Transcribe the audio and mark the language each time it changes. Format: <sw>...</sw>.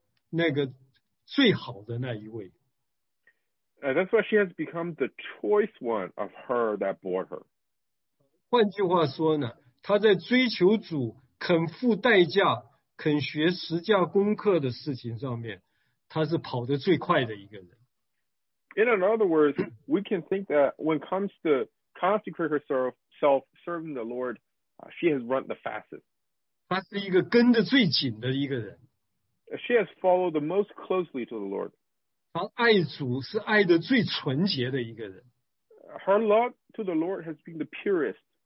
<zh>所以她成为她母亲生养中间那个最好的那一位。</zh> <en>That's why she has become the choice one of her that bore her.</en> <zh>换句话说呢, 她在追求主, 肯付代价, 肯学十架功课的事情上面, 她是跑得最快的一个人。</zh> <en>In other words, we can think that when it comes to consecrate herself, serving the Lord, she has run the fastest.</en> <zh>她是一个跟得最紧的一个人。She</zh> <en>has followed the most closely to the Lord.</en> <zh>她爱主是爱得最纯洁的一个人。Her</zh> <en>love to the Lord has been the purest.</en>